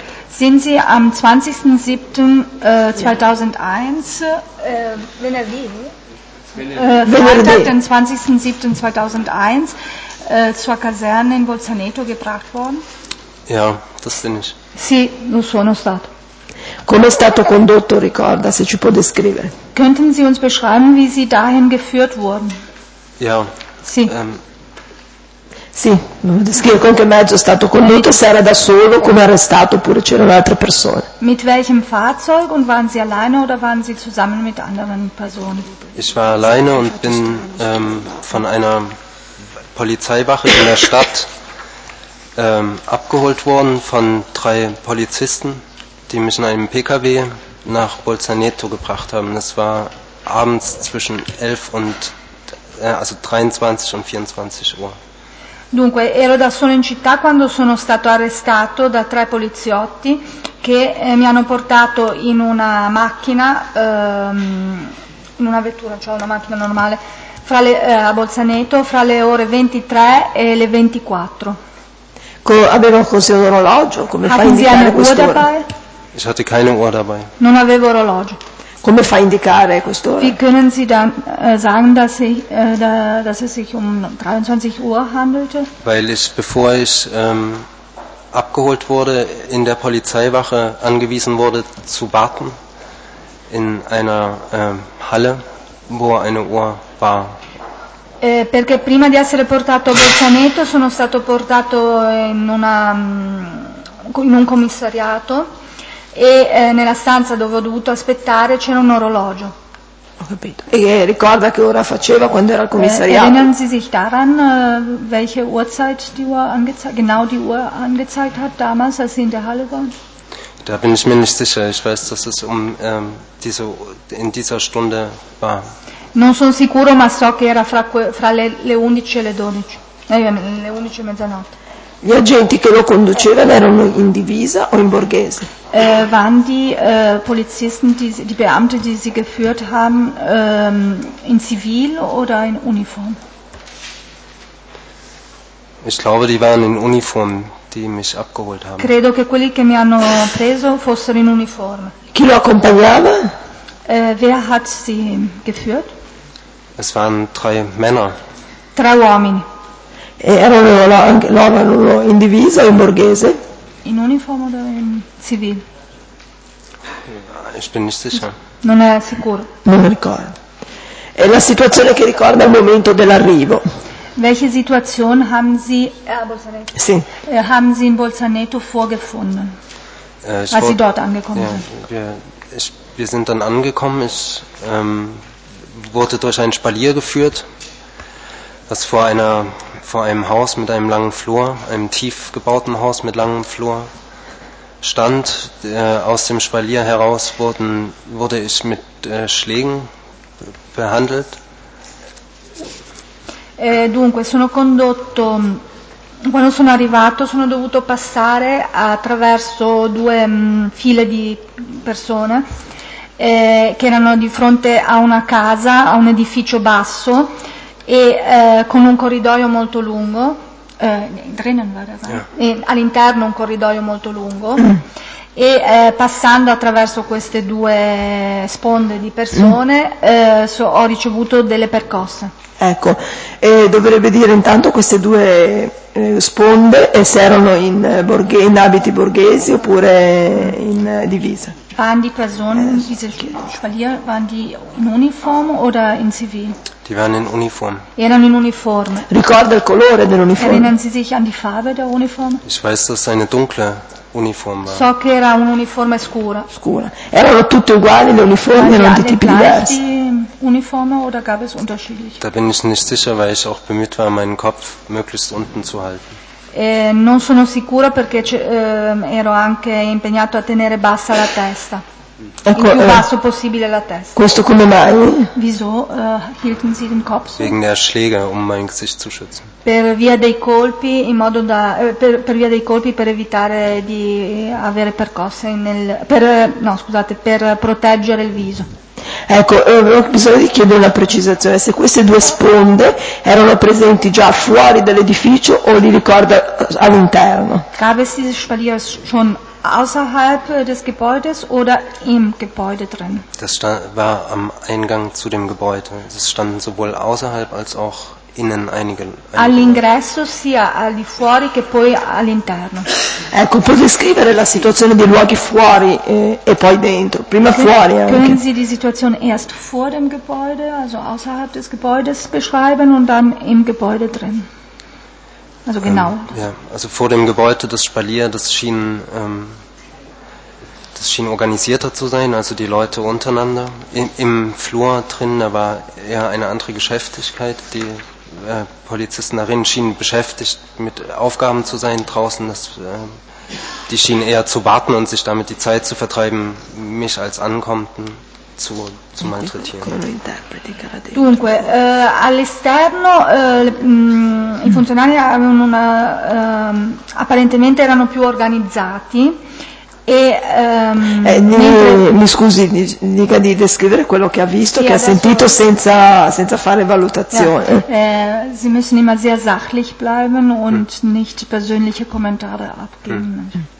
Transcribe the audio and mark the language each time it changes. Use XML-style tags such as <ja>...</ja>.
<de>Sind Sie am 20.07.2001?</de> <it>Venerdì?</it> <de>Freitag, den 20.07.2001, zur Kaserne in Bolzaneto gebracht worden? Ja, das bin ich.</de> <it>Sì, lo sono stato. Come è stato condotto, ricorda, se ci può descrivere.</it> <de>Könnten Sie uns beschreiben, wie Sie dahin geführt wurden? Ja.</de> <it>Sì. Sì, non descrivo con che mezzo è stato condotto, se era da solo, come arrestato, oppure c'erano altre persone.</it> <de>Mit welchem Fahrzeug und waren Sie alleine oder waren Sie zusammen mit anderen Personen? Ich war alleine und bin von einer Polizeiwache in der Stadt abgeholt worden von drei Polizisten, die mich in einem PKW nach Bolzaneto gebracht haben. Das war abends zwischen 11 und, also 23 und 24 Uhr.</de> <it>Dunque, ero da solo in città quando sono stato arrestato da tre poliziotti che mi hanno portato in una macchina, in una vettura, cioè una macchina normale, a Bolzaneto, fra le ore 23 e le 24. Avevo così un orologio? Come fa a indicare quest'ora? Non avevo orologio. Come fa a indicare quest'ora?</it> <de>Wie können Sie dann sagen, dass, ich, dass es sich um 23 Uhr handelte? Weil ich, bevor ich abgeholt wurde, in der Polizeiwache angewiesen wurde, zu warten in einer Halle, wo eine Uhr war.</de> <it>Perché prima di essere portato a Bolzaneto sono stato portato in un commissariato e nella stanza dove ho dovuto aspettare c'era un orologio. Ho capito. E ricorda che ora faceva quando era al commissariato?</it> <de>Erinnern Sie sich daran, welche Uhrzeit die Uhr genau die Uhr angezeigt hat damals, als Sie in der Halle waren? Da bin ich mir nicht sicher. Ich weiß, dass es in dieser Stunde war.</de> <it>Non sono sicuro, ma so che era fra le 11 e le 12, le 11 e mezzanotte. Gli agenti che lo conducevano erano in divisa o in borghese?</it> <de>Waren die Polizisten, die Beamte, die sie geführt haben, in Zivil oder in Uniform? Ich glaube, die waren in Uniform, die mich abgeholt haben.</de> <it>Credo che quelli che mi hanno preso fossero in uniforme. Chi lo accompagnava?</it> <de>Wer hat sie geführt? Es waren drei Männer.</de> <it>Tre uomini. Erano loro in divisa o in borghese?</it> <de>In uniform oder in civil? Ich bin nicht sicher.</de> <it>Non è sicuro. Non ricordo. È la situazione che ricorda il momento dell'arrivo.</it> <de>Welche Situation haben Sie a</de> <it>Bolzaneto? Sì.</it> <de>Haben Sie in Bolzaneto vorgefunden? Als Sie dort angekommen sind? Wir sind dann angekommen. Ich wurde durch ein Spalier geführt, das vor einem Haus mit einem langen Flur, einem tief gebauten Haus mit langem Flur, stand. Aus dem Spalier heraus wurde ich mit Schlägen behandelt.</de> <it>Dunque, sono condotto. Quando sono arrivato, sono dovuto passare attraverso due file di persone. Che erano di fronte a una casa, a un edificio basso e con un corridoio molto lungo, all'interno un corridoio molto lungo e passando attraverso queste due sponde di persone ho ricevuto delle percosse. Ecco, dovrebbe dire intanto queste due sponde e se erano in abiti borghesi oppure in divisa.</it> <de>Waren die Personen, diese Spalier, waren die in Uniform oder in Zivil? Die waren in Uniform.</de> <it>Erano in Uniform. Ricorda il colore dell'uniforme?</it> <de>Erinnern Sie sich an die Farbe der Uniform? Ich weiß, dass eine dunkle Uniform war.</de> <it>So che era un uniforme scura. Scura. Erano tutte uguali le uniformi, erano di tipi diversi.</it> <de>Uniforme oder gab es unterschiedliche? Da bin ich nicht sicher, weil ich auch bemüht war, meinen Kopf möglichst unten zu halten.</de> <it>Non sono sicura perché ero anche impegnato a tenere bassa la testa, ecco, il più basso possibile la testa. Questo come mai?</it> <de>Wieso hielten Sie den Kopf? Wegen der Schläge, um mein Gesicht zu schützen.</de> <it>Per via dei colpi, in modo da per via dei colpi per evitare di avere percosse per proteggere il viso. Ecco, avevo bisogno di chiedere una precisazione, se queste due sponde erano presenti già fuori dall'edificio o li ricorda all'interno?</it> <de>Gab es diese Spalier schon außerhalb des Gebäudes oder im Gebäude drin? Das war am Eingang zu dem Gebäude. Es standen sowohl außerhalb als auch innen einige.</de> <it>All'ingresso sia al di fuori che poi all'interno. Ecco, puoi descrivere la situazione dei luoghi fuori e poi dentro, prima fuori anche.</it> <de>Können Sie die Situation erst vor dem Gebäude, also außerhalb des Gebäudes beschreiben und dann im Gebäude drin? Also genau. Ja, also vor dem Gebäude, das Spalier, das schien organisierter zu sein, also die Leute untereinander. Im Flur drin, da war eher eine andere Geschäftigkeit, die Polizisten darin schienen beschäftigt mit Aufgaben zu sein draußen, die schienen eher zu warten und sich damit die Zeit zu vertreiben, mich als Ankommenden zu malträtieren.</de> <it>Dunque, all'esterno i funzionari avevano una apparentemente erano più organizzati e mi scusi, dica di descrivere quello che ha visto, che ha sentito senza fare valutazione.</it> <de>Sie müssen immer sehr sachlich bleiben und nicht persönliche Kommentare abgeben.</de>